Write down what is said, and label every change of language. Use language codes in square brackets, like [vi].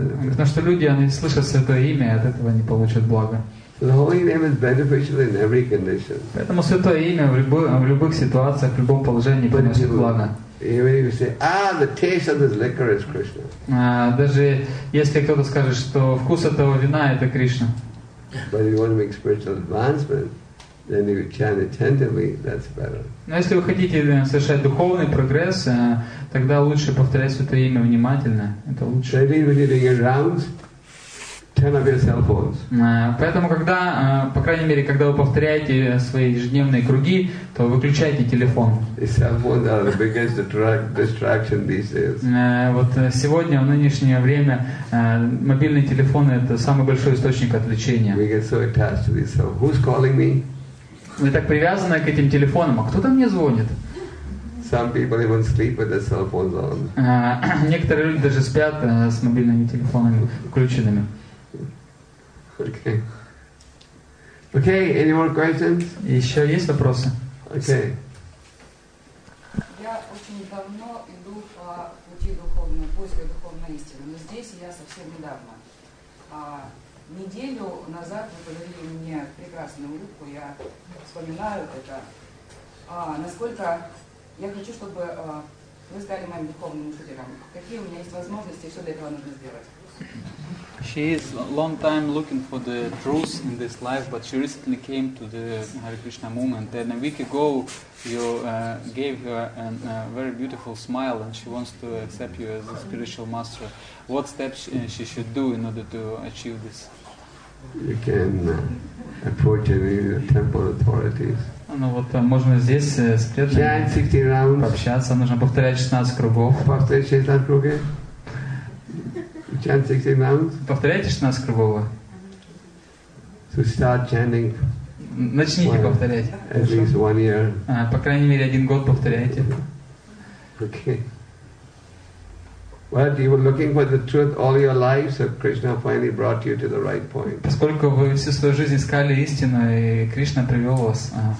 [ru] Потому что люди, они слышат святое имя, и от этого не получат благо. Поэтому святое имя в любых ситуациях, в любом положении приносит благо. [en] Even if you say, the taste of this liquor is Krishna. [ru] Даже если кто-то скажет, что вкус этого вина это Кришна. [en] But if you want to make spiritual advancement, then you chant attentively. That's better. [ru] Но если вы хотите совершать духовный прогресс, тогда лучше повторять святое имя внимательно. Это лучше. [en] So even if you're around, turn off your cell phones. [ru] Поэтому когда, по крайней мере, когда вы повторяете свои ежедневные круги, то выключайте телефон. [en] Cell phones are the biggest distraction these days. [ru] Вот сегодня, в нынешнее время, мобильные телефоны — это самый большой источник отвлечения. [en] We get so attached to these cell phones. Who's calling me? [ru] Вы так привязаны к этим телефонам. А кто там мне звонит? [en] Some people even sleep with their cell phones on. [ru] Некоторые люди даже спят с мобильными телефонами включенными. [en] Okay. Okay, any more questions? [ru] Еще есть вопросы? [en] Okay. [ru] Я очень давно иду по пути духовного, поиска духовной истины. Но здесь я совсем недавно. Неделю назад вы подарили мне прекрасную улыбку, я вспоминаю это. Насколько я хочу, чтобы вы стали моим духовным учителем. Какие у меня есть возможности, что для этого нужно сделать? [en] She is a long time looking for the truth in this life, but she recently came to the Hare Krishna movement. And a week ago, you gave her a very beautiful smile, and she wants to accept you as a spiritual master. What steps she should do in order to achieve this? You can approach any temple authorities. [ru] Ну вот можно здесь спрятаться, пообщаться. Нужно повторять 16 кругов. Повторять 16 кругов. [en] Chant 16 rounds. [ru] Повторяйте 16 кругов. [en] So start chanting. [ru] Начните повторять. [en] At least one year. [ru] По крайней мере один год повторяйте. [en] Okay. Well, you were looking for the truth all your life, so Krishna finally brought you to the right point. [ru] Поскольку вы всю свою жизнь искали истину, и Кришна привел вас.